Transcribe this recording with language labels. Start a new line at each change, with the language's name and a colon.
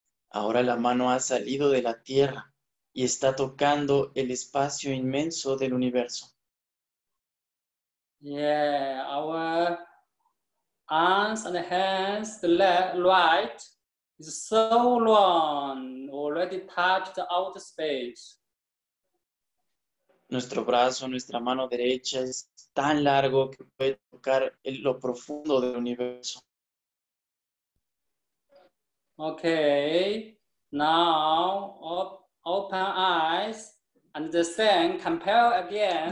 Spanish: Ahora la mano ha salido de la Tierra y está tocando el espacio inmenso del universo.
English: Yeah, our arms and hands, the light is so long, already touched the outer space.
Spanish: Nuestro brazo, nuestra mano derecha es tan largo que puede tocar lo profundo del universo.
English: Okay, now open eyes and the same, compare again.